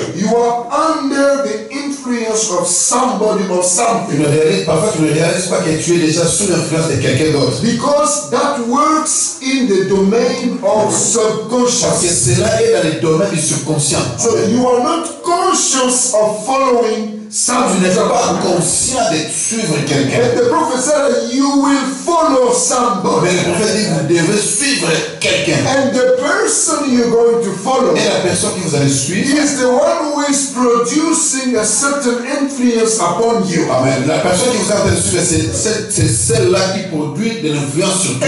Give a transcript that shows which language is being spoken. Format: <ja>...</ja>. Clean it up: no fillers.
<en>You are under the influence of somebody or something.</en> <fr>Parfois tu ne réalises pas que tu es déjà sous l'influence de quelqu'un d'autre.</fr> <en>Because that works in the domain of subconscious.</en> <fr>Parce que cela est dans le domaine du subconscient.</fr> <en>So you are not conscious of following.</en> <fr>Ça, tu n'es pas conscient de suivre quelqu'un.</fr> <en>The prophet said, you will follow somebody.</en> <fr>Mais le prophète dit, vous devez suivre quelqu'un.</fr> <en>And the person you're going to follow,</en> <fr>et la personne que vous allez suivre,</fr> <en>is the one who is producing a certain influence upon you. Amen.</en> <fr>La personne que vous allez suivre, c'est celle-là qui produit de l'influence sur toi.</fr>